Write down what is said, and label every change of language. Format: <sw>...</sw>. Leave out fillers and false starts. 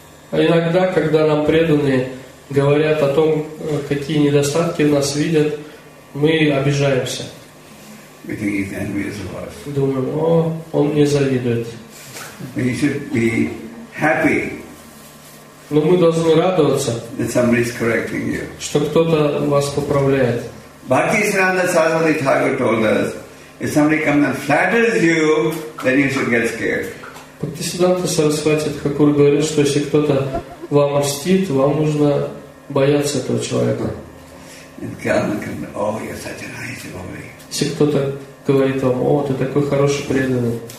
<ru>А иногда, когда нам преданные говорят о том, какие недостатки нас видят, мы обижаемся.</ru> <en>We think he's envious of us.</en> <ru>Думаем, о, он мне завидует.</ru> <en>We should be happy.</en> <ru>Но мы должны радоваться,</ru> <en>that somebody's correcting you.</en> <ru>Что кто-то вас поправляет.</ru> <en>Bhakti Sananda Saraswati Thakur told us, if somebody comes and flatters you, then you should get scared.</en> <ru>Бхактисиддханта Сарасвати Тхакур говорит, что если кто-то вам льстит, вам нужно бояться этого человека. Если кто-то говорит вам, о, ты такой хороший преданный.</ru>